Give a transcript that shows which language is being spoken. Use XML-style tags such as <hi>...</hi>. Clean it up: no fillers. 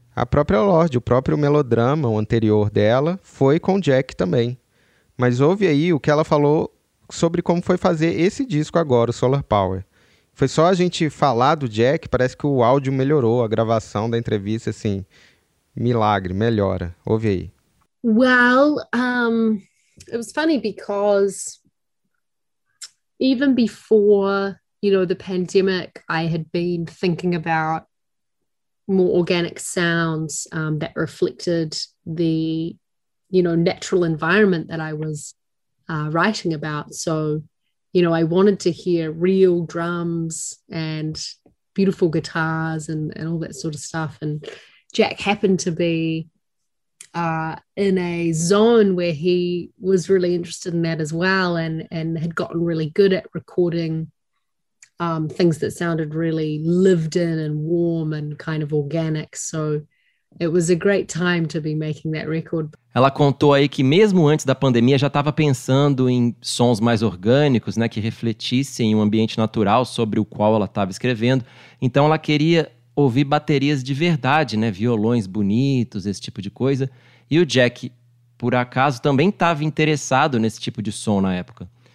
<pt>A própria Lorde, o próprio melodrama, o anterior dela, foi com o Jack também. Mas ouve aí o que ela falou sobre como foi fazer esse disco agora, o Solar Power. Foi só a gente falar do Jack, parece que o áudio melhorou, a gravação da entrevista, assim, milagre, melhora. Ouve aí.</pt> <en>Well, it was funny because even before, you know, the pandemic, I had been thinking about more organic sounds that reflected the, you know, natural environment that I was writing about. So, you know, I wanted to hear real drums and beautiful guitars and all that sort of stuff. And Jack happened to be in a zone where he was really interested in that as well, and had gotten really good at recording things that sounded really lived in and warm and kind of organic. So it was a great time to be making that record.</en> <pt>Ela contou aí que mesmo antes da pandemia já estava pensando em sons mais orgânicos, né, que refletissem um ambiente natural sobre o qual ela estava escrevendo. Então ela queria ouvir baterias de verdade, né, violões bonitos, esse tipo de coisa. E o Jack, por acaso, também estava interessado nesse tipo de som na época.</pt>